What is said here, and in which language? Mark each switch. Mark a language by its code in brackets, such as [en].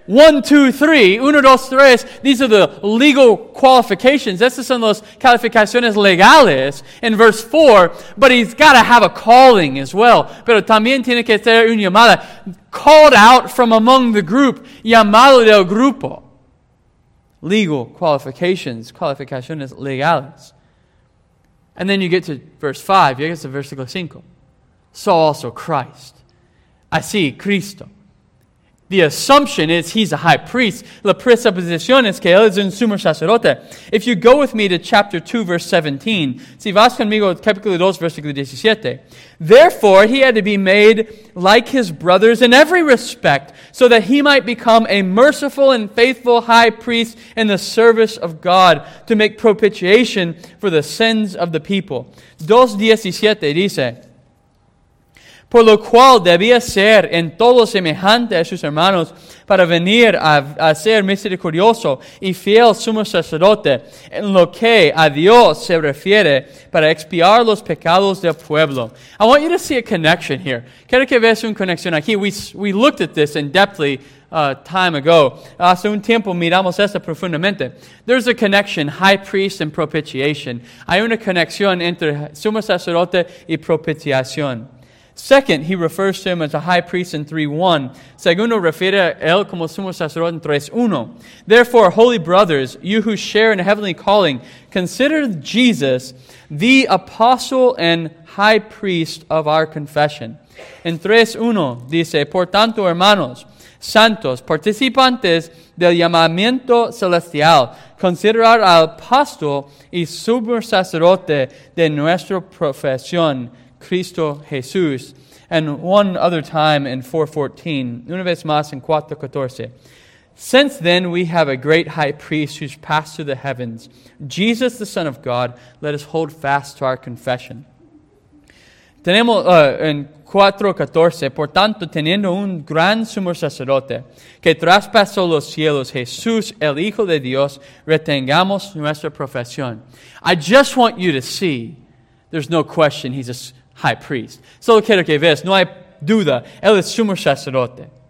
[en] 1, 2, 3, 1, 2, 3, these are the legal qualifications. [es] Estas son las calificaciones legales [en] in verse 4. But he's got to have a calling as well. [es] Pero también tiene que ser un llamada. [en] Called out from among the group. [es] Llamado del grupo. [en] Legal qualifications, [es] qualificaciones legales. [en] And then you get to verse 5, you get to versículo 5. So also Christ. [es] Así, Cristo. [en] The assumption is he's a high priest. [es] La presuposición es que él es un sumo sacerdote. [en] If you go with me to chapter 2, verse 17, [es] si vas conmigo, capítulo 2, versículo 17. [en] Therefore, he had to be made like his brothers in every respect, so that he might become a merciful and faithful high priest in the service of God to make propitiation for the sins of the people. [es] 2:17 dice, por lo cual debía ser en todo semejante a sus hermanos para venir a ser misericordioso y fiel sumo sacerdote en lo que a Dios se refiere para expiar los pecados del pueblo. [en] I want you to see a connection here. [es] Quiero que veas una conexión aquí. [en] We looked at this in depthly time ago. [es] Hace un tiempo miramos esto profundamente. [en] There's a connection, high priest and propitiation. [es] Hay una conexión entre sumo sacerdote y propitiación. [en] Second, he refers to him as a high priest in 3:1. [es] Segundo, refiere a él como sumo sacerdote en 3:1. [en] Therefore, holy brothers, you who share in a heavenly calling, consider Jesus the apostle and high priest of our confession. [es] En 3:1 dice, por tanto, hermanos, santos, participantes del llamamiento celestial, considerar al apóstol y sumo sacerdote de nuestra profesión, Cristo Jesús, [en] and one other time in 4:14, [es] una vez más en 4:14. [en] Since then we have a great high priest who's passed through the heavens, Jesus the Son of God, let us hold fast to our confession. [es] Tenemos en 4:14, por tanto, teniendo un gran sumo sacerdote que traspasó los cielos, Jesús, el Hijo de Dios, retengamos nuestra profesión. [en] I just want you to see, there's no question, he's a high priest. [es] Solo quiero que veas, no hay duda, él es sumo sacerdote.